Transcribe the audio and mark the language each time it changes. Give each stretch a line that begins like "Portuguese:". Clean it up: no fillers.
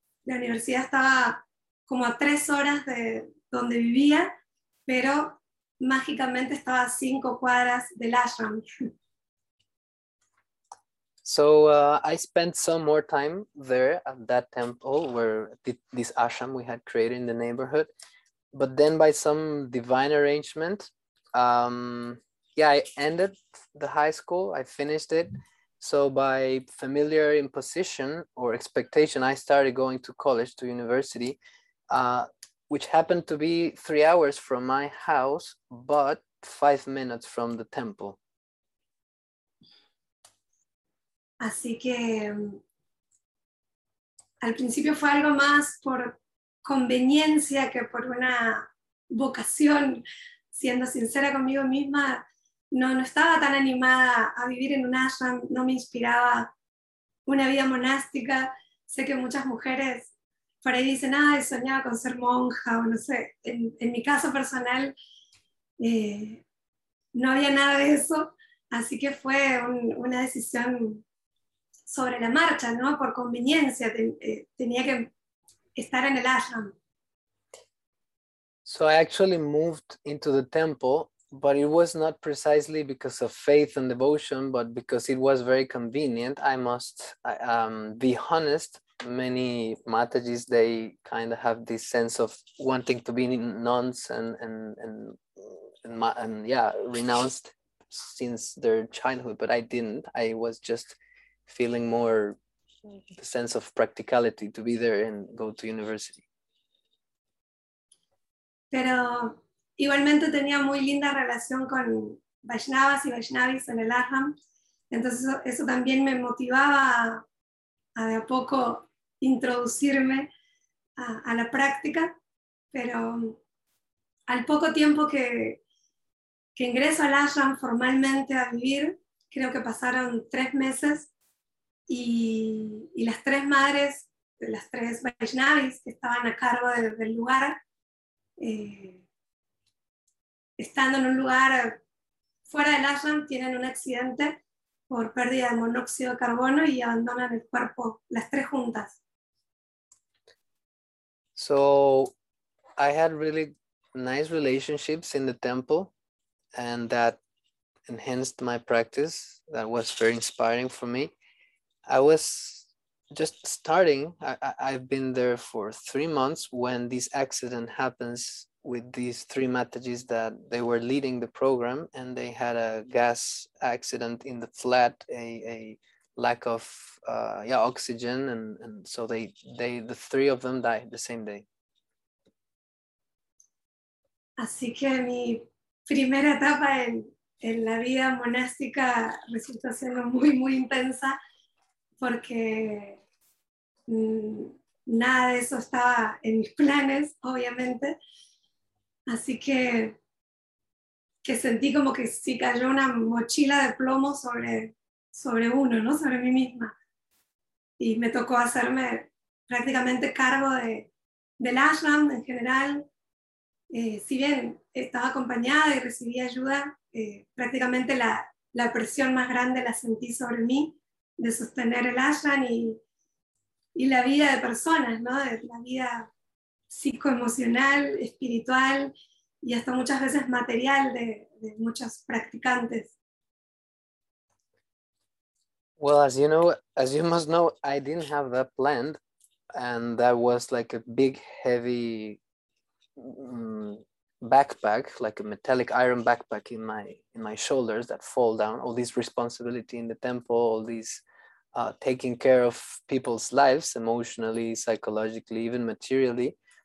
Spanish: La universidad estaba como a 3 horas de donde vivía, pero mágicamente estaba a 5 cuadras del ashram.
English: So I spent some more time there at that temple where this ashram we had created in the neighborhood. But then by some divine arrangement, I ended the high school, I finished it. So by familiar imposition or expectation, I started going to college, to university, which happened to be 3 hours from my house, but 5 minutes from the temple.
Spanish: Así que al principio fue algo más por conveniencia que por una vocación. Siendo sincera conmigo misma, no estaba tan animada a vivir en un ashram, no me inspiraba una vida monástica. Sé que muchas mujeres por ahí dicen, ah, soñaba con ser monja, o no sé, en mi caso personal no había nada de eso, así que fue una decisión sobre la marcha, ¿no? Por conveniencia, tenía que estar en el ashram.
English: So I actually moved into the temple, but it was not precisely because of faith and devotion, but because it was very convenient. I must be honest, many Matajis, they kind of have this sense of wanting to be nuns and yeah, renounced since their childhood, but I didn't. I was just feeling more the sense of practicality to be there and go to university.
Spanish: Pero igualmente tenía muy linda relación con Vaishnavas y Vaishnavis en el ashram. Entonces eso también me motivaba a de a poco introducirme a la práctica. Pero al poco tiempo que ingreso al ashram formalmente a vivir, creo que pasaron 3 meses y las 3 madres, las 3 Vaishnavis que estaban a cargo del lugar, estando en un lugar fuera del ashram, tienen un accidente por pérdida de monóxido de carbono y abandonan el cuerpo las 3 juntas.
English: So I had really nice relationships in the temple, and that enhanced my practice. That was very inspiring for me. I was just starting, I've been there for 3 months when this accident happens with these 3 Matajis that they were leading the program, and they had a gas accident in the flat, a lack of oxygen, and so they the 3 of them died the same day.
Spanish: Así que mi primera etapa en la vida monástica resulta siendo muy muy intensa, porque nada de eso estaba en mis planes, obviamente. Así que sentí como que sí cayó una mochila de plomo sobre uno, ¿no? Sobre mí misma. Y me tocó hacerme prácticamente cargo del ashram en general. Si bien estaba acompañada y recibía ayuda, prácticamente la presión más grande la sentí sobre mí, de sostener el ashram y la vida de personas, ¿no? De la vida psicoemocional, espiritual y hasta muchas veces material de muchos practicantes.
English: Well, as you know, as you must know, I didn't have that planned, and that was like a big, heavy backpack, like a metallic iron backpack in my shoulders that fall down. All this responsibility in the temple, all these taking care of people's lives emotionally, psychologically, even materially.